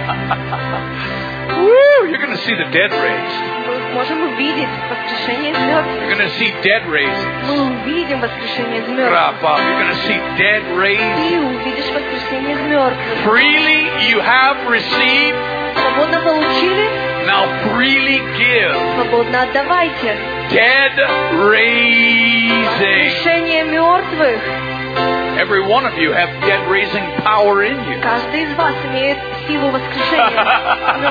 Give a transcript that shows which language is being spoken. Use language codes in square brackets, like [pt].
[en] Woo, you're going to see the dead raised. [ru] Мы можем увидеть воскрешение из мертвых. [en] You're going to see dead raised. [ru] Мы увидим воскрешение из мертвых. [en] Рапа, you're going to see dead raised. [ru] Ты увидишь воскрешение из мертвых. [en] Freely you have received. [ru] Свободно получили. [en] Now freely give. [ru] Свободно отдавайте. [en] Dead raising. [ru] Воскрешение мертвых. [en] Every one of you have dead raising power in you. [ru] Каждый из вас имеет силу воскрешения